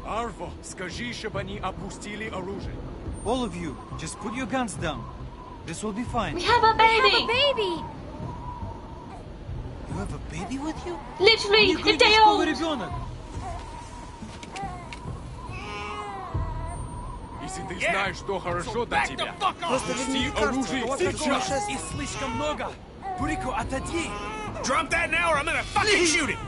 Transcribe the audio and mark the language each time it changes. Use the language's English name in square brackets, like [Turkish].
[Russian] Arvo, скажи, чтобы они опустили оружие. [English] All of you, just put your guns down. This will be fine. We have a baby! We have a baby! You have a baby with you? Literally, a day old! [Russian] если ты знаешь, что хорошо для тебя, опусти оружие сейчас! И слишком много! Бурико, отойди! [English] Drop that now or I'm gonna fucking shoot it!